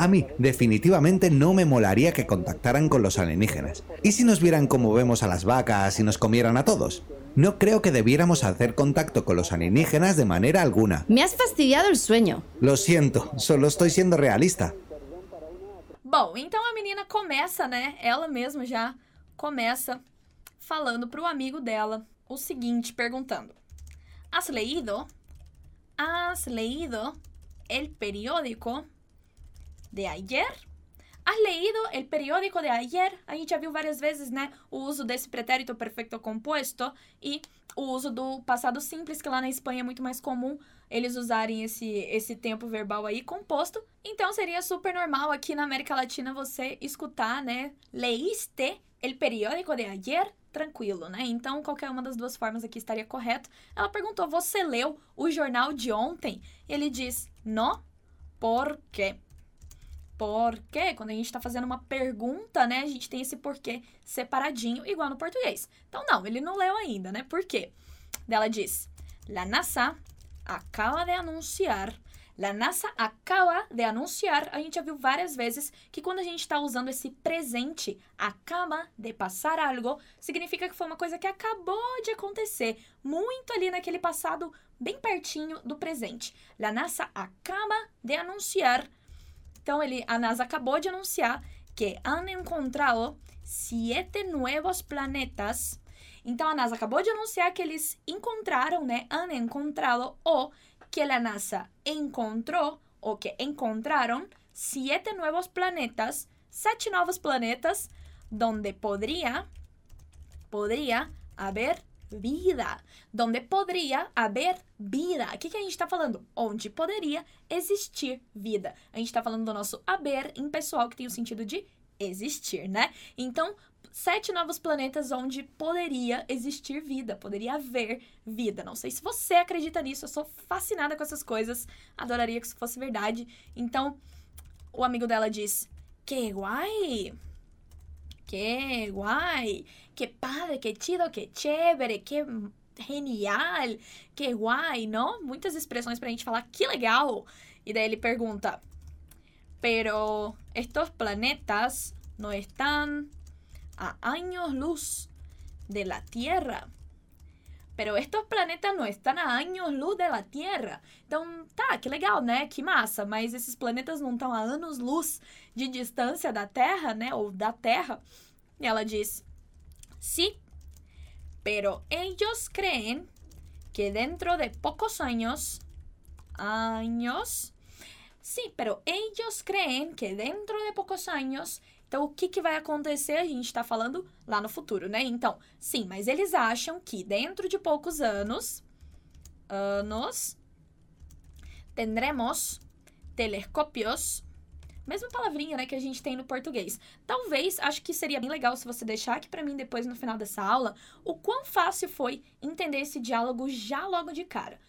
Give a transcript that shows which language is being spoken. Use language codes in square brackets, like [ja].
[es] A mí, definitivamente, no me molaría que contactaran con los alienígenas. ¿Y si nos vieran como vemos a las vacas y nos comieran a todos? No creo que debiéramos hacer contacto con los alienígenas de manera alguna. Me has fastidiado el sueño. Lo siento, solo estoy siendo realista. [pt] Bom, então a menina começa, né? Ela mesma já começa falando pro amigo dela o seguinte, perguntando: Has leído? [es] Has leído el periódico de ayer? Has leído el periódico de ayer? [pt] A gente já viu várias vezes, né, o uso desse pretérito perfeito composto e o uso do passado simples, que lá na Espanha é muito mais comum eles usarem esse tempo verbal aí composto. Então, seria super normal aqui na América Latina você escutar, né, leíste el periódico de ayer? Tranquilo, né? Então, qualquer uma das duas formas aqui estaria correto. Ela perguntou, você leu o jornal de ontem? Ele diz, no, por quê? Porque quando a gente está fazendo uma pergunta, né, a gente tem esse porquê separadinho, igual no português. Então, não, ele não leu ainda, né? Por quê? Ela diz, La NASA acaba de anunciar. [es] La NASA acaba de anunciar. [pt] A gente já viu várias vezes que quando a gente está usando esse presente, acaba de passar algo, significa que foi uma coisa que acabou de acontecer, muito ali naquele passado, bem pertinho do presente. [es] La NASA acaba de anunciar. [pt] Então, a NASA acabou de anunciar que han encontrado 7 novos planetas. Então, a NASA acabou de anunciar que eles encontraram, né? Han encontrado, ou que a NASA encontrou, ou que encontraram 7 novos planetas, 7 novos planetas, donde poderia haver vida. Donde poderia haver vida. O que a gente está falando? Onde poderia existir vida. A gente está falando do nosso haber impessoal, que tem o sentido de existir, né? Então, 7 novos planetas onde poderia existir vida, poderia haver vida. Não sei se você acredita nisso, eu sou fascinada com essas coisas, adoraria que isso fosse verdade. Então, o amigo dela diz, que guai! [es] Que guay, que padre, que chido, que chévere, que genial, que guay, ¿no? [pt] Muitas expressões pra gente falar, que legal. E daí ele pergunta, pero estos planetas no están a años luz de la Tierra. [es] Pero estos planetas no están a años luz de la Tierra. [pt] Então, tá, que legal, né? Que massa. Mas esses planetas não estão a anos luz de distância da Terra, né? Ou da Terra. E ela diz, sí, pero ellos creen que dentro de pocos años, años, sí, pero ellos creen que dentro de pocos años, então o que, que vai acontecer, a gente está falando lá no futuro, né? Então, sim, mas eles acham que dentro de poucos anos, tendremos telescópios. Mesma palavrinha, né, que a gente tem no português. Talvez, acho que seria bem legal se você deixar aqui pra mim depois, no final dessa aula, o quão fácil foi entender esse diálogo já logo de cara.